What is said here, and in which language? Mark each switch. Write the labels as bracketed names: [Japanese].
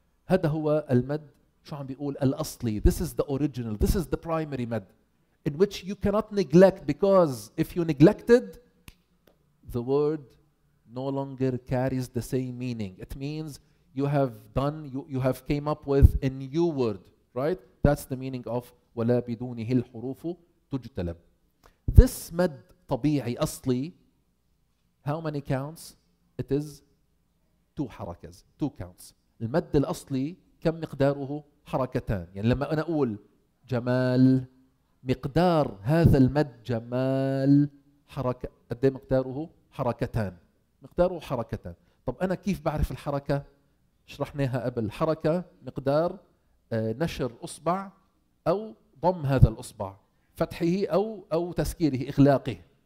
[Arabic] هذا هو المد. شو عم بيقول؟ الأصلي. [English] This is the original. This is the primary مد in which you cannot neglect, because if you neglected the word no longer carries the same meaning. It means you have done, you have came up with a new word, right? That's the meaning of [Arabic] ولا بدونه الحروف تجتلب. [English] This [Arabic] مد طبيعي أصلي, [English] how many counts? It is two حركز, two counts. [Arabic] المد الأصلي كم مقداره؟ حركتان. يعني لما أنا أقول جمال, مقدار هذا المد جمال حركة, قد ايه مقداره؟ حركتان. مقداره حركتان. طب أنا كيف بعرف الحركة؟ شرحناها قبل. حركة مقدار نشر أصبع أو ضم هذا الأصبع, فتحه أو تسكيره إغلاقه.